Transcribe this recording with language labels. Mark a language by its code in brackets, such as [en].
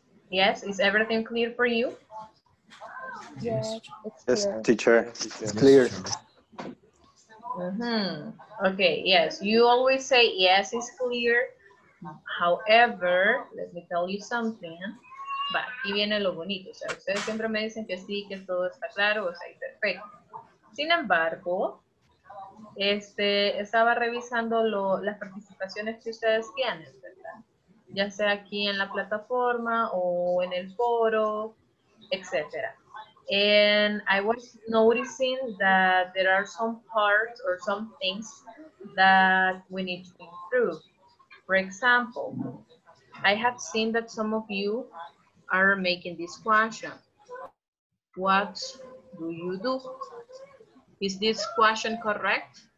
[en] Yes, is everything clear for you? Yes, teacher, it's clear. Mm-hmm. Okay, yes, you always say yes, it's clear. However, let me tell you something. [es] Va, aquí viene lo bonito. O sea, ustedes siempre me dicen que sí, que todo está claro, o sea, y perfecto. Sin embargo, estaba revisando las participaciones que ustedes tienen, ¿verdad? Ya sea aquí en la plataforma o en el foro, etc. [en] And I was noticing that there are some parts or some things that we need to improve. For example, I have seen that some of you are making this question. What do you do? Is this question correct?